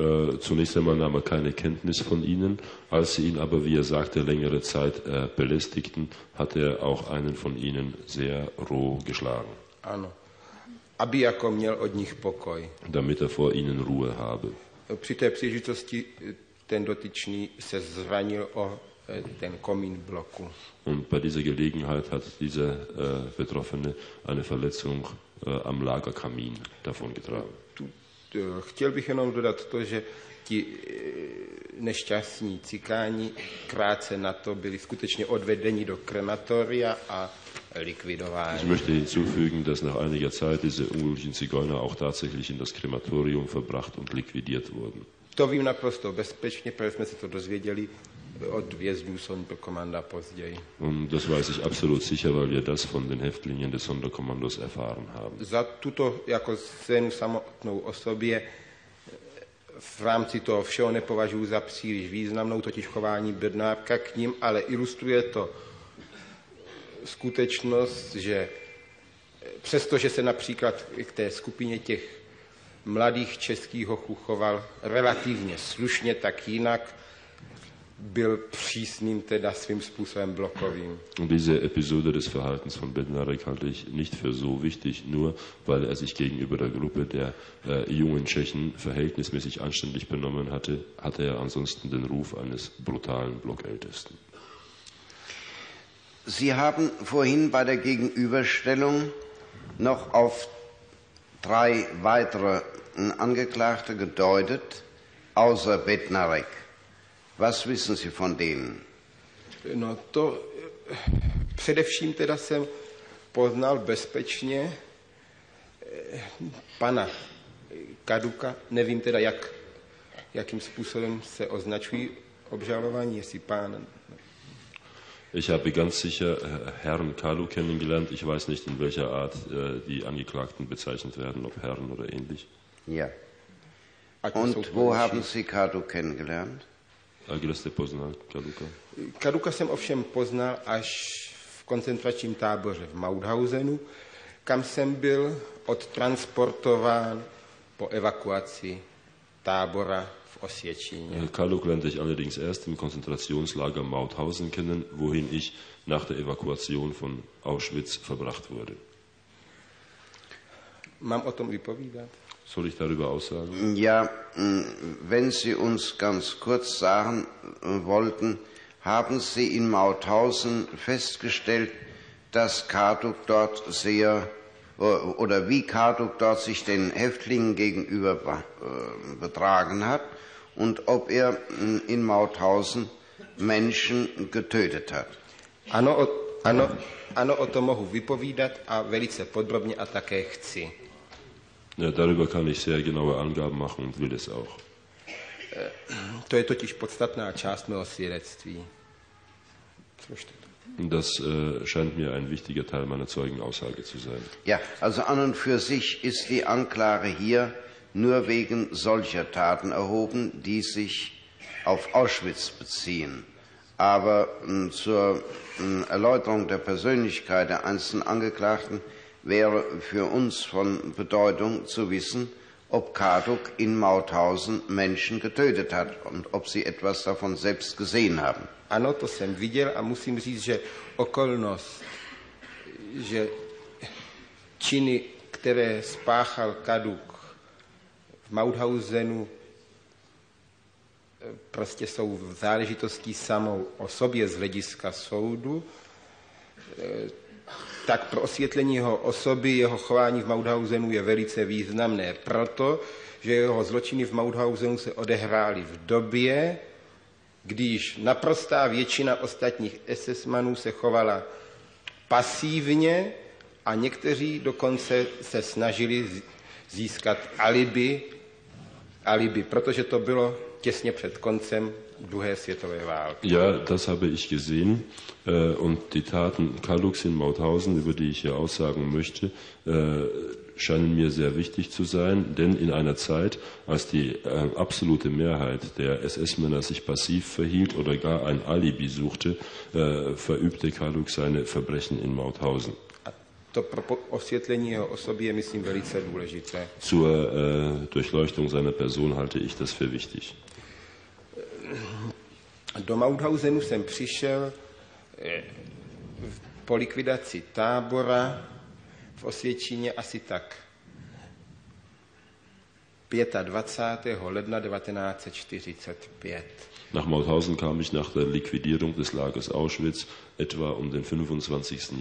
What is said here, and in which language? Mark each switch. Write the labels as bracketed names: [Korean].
[German] Zunächst einmal nahm er keine Kenntnis von ihnen, als sie ihn aber, wie er sagte, längere Zeit belästigten, hat er auch einen von ihnen sehr roh geschlagen. [Czech] Ano. Aby jako měl od nich pokoj. [German] Damit er vor ihnen Ruhe habe. [Czech] Při té příležitosti ten dotyčný se zranil o ten komín bloku. [German] Und bei dieser Gelegenheit hat dieser Betroffene eine Verletzung am Lagerkamin davongetragen. [Czech] Chtěl bych jenom dodat to, že ti nešťastní cikáni krátce na to byli skutečně odvedeni do krematoria a likvidováni. [German] Ich möchte hinzufügen, dass nach einiger Zeit diese unglücklichen Zigeuner auch tatsächlich in das Krematorium verbracht und liquidiert wurden. [Czech] To vím naprosto bezpečně, protože jsme se to dozvěděli od vězňů Sonderkommanda později. [German] Und das weiß ich absolut sicher, weil wir das von den Häftlingen des Sonderkommandos erfahren haben. [Czech] Za tuto jako svému samotnou osobě v rámci toho všeho nepovažuji za příliš významnou, totiž chování Bednárka k ním, ale ilustruje to skutečnost, že přestože se například k té skupině těch mladých českých hochů choval relativně slušně, tak jinak byl přísným teda svým způsobem blokovým. [German] Diese Episode des Verhaltens von Bednarek halte ich nicht für so wichtig, nur weil er sich gegenüber der Gruppe der jungen Tschechen verhältnismäßig anständig benommen hatte, hatte er ansonsten den Ruf eines brutalen Blockältesten. Sie haben vorhin bei der Gegenüberstellung noch auf drei weitere Angeklagte gedeutet, außer Bednarek. Was wissen Sie von denen? [Czech] No to především teda jsem poznal bezpečně pana Kaduka. Nevím teda, jakým způsobem se označují obžalování, jestli pán. [German] Ich habe ganz sicher Herrn Kalu kennengelernt. Ich weiß nicht, in welcher Art die Angeklagten bezeichnet werden, ob Herren oder ähnlich. Ja. Und wo haben Sie Kalu kennengelernt? [Czech] A kde jste poznal Kaduka? Kaduka jsem ovšem poznal až v koncentračním táboře v Mauthausenu, kam jsem byl odtransportován po evakuaci tábora v Osvětšině. [German] Kaduk lernte ich allerdings erst im Konzentrationslager Mauthausen kennen, wohin ich nach der Evakuation von Auschwitz verbracht wurde. [Czech] Mám o tom vypovídat? [German] Soll ich darüber aussagen? Ja, wenn Sie uns ganz kurz sagen wollten, haben Sie in Mauthausen festgestellt, dass Kaduk dort sehr oder wie Karduk dort sich den Häftlingen gegenüber betragen hat und ob er in Mauthausen Menschen getötet hat. [Czech] Ano, o tom mohu vypovídat a velice podrobně a také chci. [German] Ja, darüber kann ich sehr genaue Angaben machen und will es auch. [Czech] To je totiž podstatná část mého svědectví. [German] Das scheint mir ein wichtiger Teil meiner Zeugenaussage zu sein. Ja, also an und für sich ist die Anklage hier nur wegen solcher Taten erhoben, die sich auf Auschwitz beziehen. Aber zur Erläuterung der Persönlichkeit der einzelnen Angeklagten wäre für uns von Bedeutung zu wissen, ob Karduk in Mauthausen Menschen getötet hat und ob sie etwas davon selbst gesehen haben. [Czech] Ano, to jsem viděl a musím říct, že okolnost, že činy, které spáchal Karduk v Mauthausenu, prostě jsou záležitostí samou o sobě z hlediska soudu, tak pro osvětlení jeho osoby, jeho chování v Mauthausenu je velice významné, proto, že jeho zločiny v Mauthausenu se odehrály v době, když naprostá většina ostatních SS-manů se chovala pasívně a někteří dokonce se snažili získat alibi, protože to bylo těsně před koncem druhé světové války. [German] Ja, das habe ich gesehen und die Taten Karduks in Mauthausen, über die ich hier aussagen möchte, scheinen mir sehr wichtig zu sein, denn in einer Zeit, als die absolute Mehrheit der SS-Männer sich passiv verhielt oder gar ein Alibi suchte, verübte Karduk seine Verbrechen in Mauthausen. Zur Durchleuchtung seiner Person halte ich das für wichtig. [Czech] Do Mauthausenu jsem přišel po likvidaci tábora v Osvětšině asi tak 25. ledna 1945. [German] Nach Mauthausen kam ich nach der Liquidierung des Lagers Auschwitz etwa um den 25.